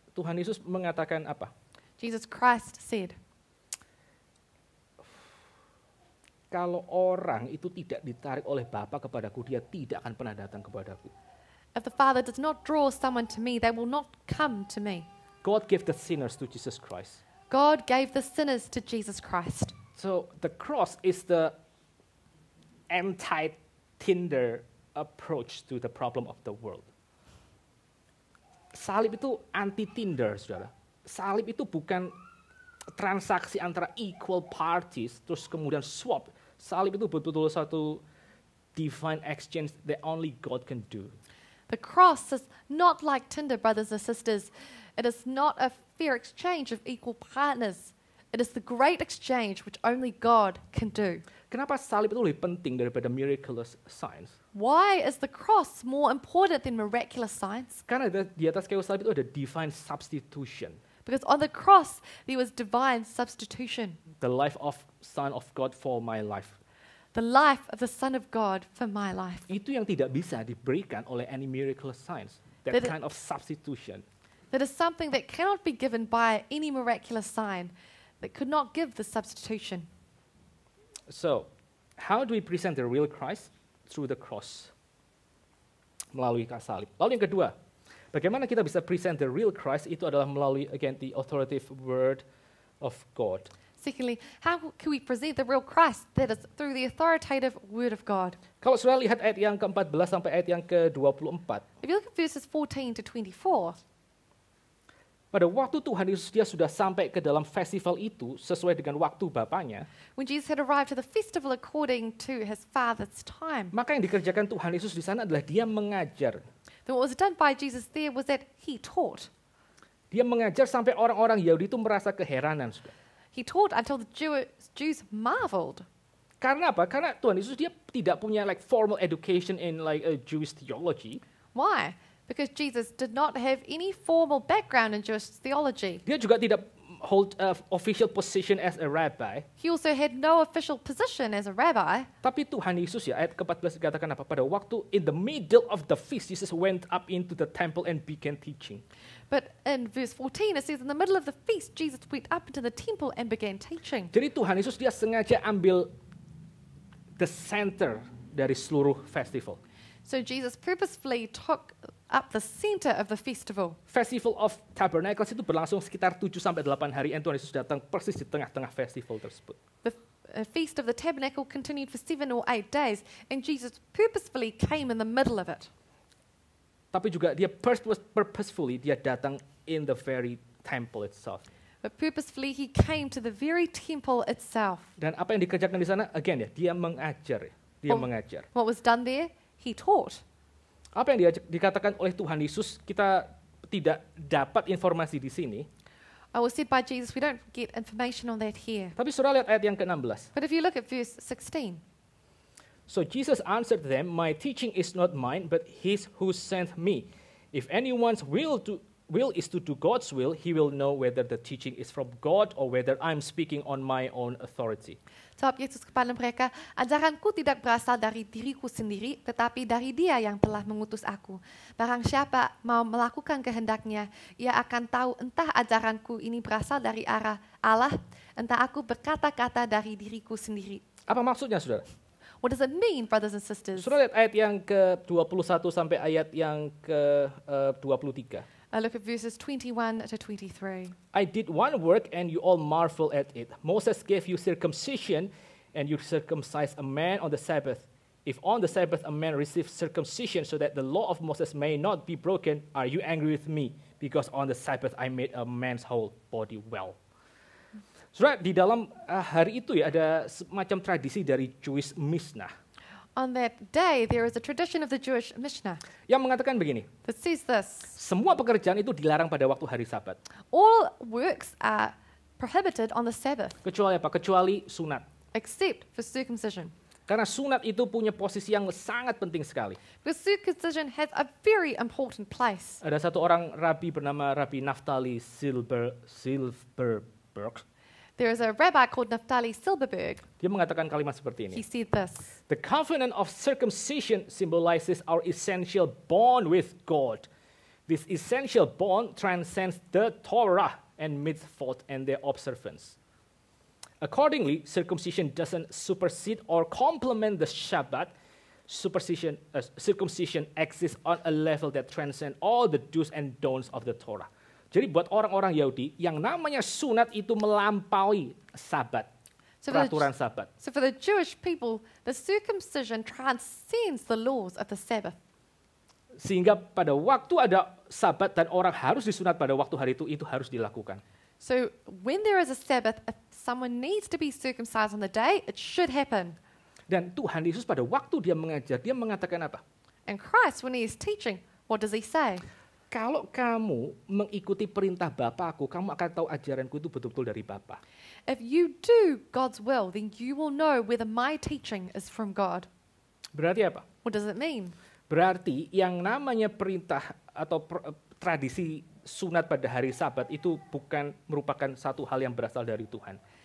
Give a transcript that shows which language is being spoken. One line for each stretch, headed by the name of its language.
Indonesian: Tuhan Yesus mengatakan apa?
English: Jesus Christ said.
Indonesian: kalau orang itu tidak ditarik oleh Bapa kepadaku, dia tidak akan pernah datang kepadaku.
English: If the Father does not draw someone to me, they will not come to me. God gave the sinners to Jesus Christ. God gave the sinners to Jesus Christ. So the cross is the anti-Tinder approach to the problem of the world.
Indonesian: Salib itu anti-Tinder, saudara. Salib itu bukan transaksi antara
English: equal parties,
Indonesian: terus kemudian swap. Salib itu betul-betul satu
English: divine exchange that only God can do. The cross is not like Tinder, brothers and sisters. It is not a fair exchange of equal partners. It is the great exchange which only God can do.
Indonesian: Kenapa salib itu lebih penting daripada
English: miraculous signs? Why is the cross more important than miraculous signs?
Indonesian: Karena di atas kayu salib itu ada
English: divine substitution. Because on the cross, there was divine substitution. The life of Son of God for my life. The life of the Son of God for my life.
Indonesian: Itu yang tidak bisa diberikan oleh
English: any miraculous signs. That kind of substitution. That is something that cannot be given by any miraculous sign that could not give the substitution. So, how do we present the real Christ? Through the cross.
Indonesian: Melalui kayu salib. Lalu yang kedua, bagaimana kita bisa
English: present the real Christ?
Indonesian: Itu adalah melalui,
English: again, the authoritative word of God. Secondly, how can we present the real Christ? That is through the authoritative word of God.
Indonesian: Kalau sudah lihat ayat yang ke-14 sampai ayat yang ke-24.
English: If you look at verses 14 to 24.
Indonesian: Pada waktu Tuhan Yesus dia sudah sampai ke dalam festival itu sesuai dengan waktu Bapanya.
English: When Jesus had arrived to the festival according to his father's time.
Indonesian: Maka yang dikerjakan Tuhan Yesus di sana adalah dia mengajar.
English: Then what was done by Jesus there was that he taught.
Indonesian: Dia mengajar sampai orang-orang Yahudi itu merasa keheranan.
English: He taught until the Jews marveled.
Indonesian: Karena apa? Karena Tuhan Yesus dia tidak punya
English: like formal education in like a Jewish theology. Why? Because Jesus did not have any formal background in Jewish theology.
Indonesian: Dia juga tidak
English: hold an official position as a rabbi. He also had no official position as a rabbi.
Indonesian: Tapi Tuhan Yesus ya, ayat ke-14 dikatakan apa? Pada waktu
English: in the middle of the feast, Jesus went up into the temple and began teaching. But in verse 14, it says in the middle of the feast, Jesus went up into the temple and began teaching.
Indonesian: Jadi Tuhan Yesus dia sengaja ambil
English: the center
Indonesian: dari seluruh festival.
English: So Jesus purposefully took up the center of the festival.
Indonesian: Festival of Tabernacles itu berlangsung sekitar 7-8 hari, and Tuhan Yesus datang persis di tengah-tengah festival tersebut.
English: The feast of the tabernacle continued for 7 or 8 days, and Jesus purposefully came in the middle of it.
Indonesian: Tapi juga dia
English: purposefully
Indonesian: dia datang
English: in the very temple itself. But purposefully he came to the very temple itself.
Indonesian: Dan apa yang dikerjakan di sana? Again ya, dia mengajar. Dia mengajar.
English: What was done there? He taught.
Indonesian: Apa yang dikatakan oleh Tuhan Yesus kita tidak dapat informasi di sini.
English: I was said by Jesus, we don't get information on that here.
Indonesian: Tapi surah lihat ayat yang ke-16.
English: But if you look at verse 16. So Jesus answered them, my teaching is not mine, but his who sent me. If anyone's will is to do God's will, he will know whether the teaching is from God or whether I'm speaking on my own authority.
Indonesian: Jawab Yesus kepada mereka, ajaranku tidak berasal dari diriku sendiri, tetapi dari dia yang telah mengutus aku. Barang siapa mau melakukan kehendaknya, ia akan tahu entah ajaranku ini berasal dari arah Allah, entah aku berkata-kata dari diriku sendiri. Apa maksudnya, saudara?
English: What does it mean, brothers and sisters?
Indonesian: Sudah lihat ayat yang ke-21 sampai ayat yang ke-23.
English: I look at verses 21 to 23. I did one work and you all marvel at it. Moses gave you circumcision and you circumcised a man on the Sabbath. If on the Sabbath a man receives circumcision so that the law of Moses may not be broken, are you angry with me? Because on the Sabbath I made a man's whole body well.
Indonesian: Surat, di dalam hari itu ya ada semacam tradisi dari Jewish Mishnah.
English: On that day, there is a tradition of the Jewish Mishnah.
Indonesian: Yang mengatakan begini.
English: That says this.
Indonesian: Semua pekerjaan itu dilarang pada waktu hari Sabat.
English: All works are prohibited on the Sabbath.
Indonesian: Kecuali apa? Kecuali sunat.
English: Except for circumcision.
Indonesian: Karena sunat itu punya posisi yang sangat penting sekali.
English: Because circumcision has a very important place.
Indonesian: Ada satu orang rabbi bernama Rabbi Naftali Silverberg.
English: There is a rabbi called Naftali Silberberg.
Indonesian: Dia mengatakan kalimat seperti ini.
English: He said this. The covenant of circumcision symbolizes our essential bond with God. This essential bond transcends the Torah and mitzvot and their observance. Accordingly, circumcision doesn't supersede or complement the Shabbat. Circumcision exists on a level that transcends all the do's and don'ts of the Torah.
Indonesian: Jadi buat orang-orang Yahudi, yang namanya sunat itu melampaui Sabat, so peraturan Sabat.
English: So for the Jewish people, the circumcision transcends the laws of the Sabbath.
Indonesian: Sehingga pada waktu ada Sabat dan orang harus disunat pada waktu hari itu harus dilakukan.
English: So when there is a Sabbath, if someone needs to be circumcised on the day, it should happen.
Indonesian: Dan Tuhan Yesus pada waktu dia mengajar, dia mengatakan apa?
English: And Christ, when he is teaching, what does he say?
Indonesian: Kalau kamu mengikuti perintah Bapa-Ku, kamu akan tahu ajaranku itu betul-betul dari Bapa.
English: If you do God's will, then you will know whether my teaching is from God.
Indonesian: Berarti apa?
English: What does it mean?
Indonesian: Berarti yang namanya perintah atau tradisi sunat pada hari Sabat itu bukan merupakan satu hal yang berasal dari Tuhan.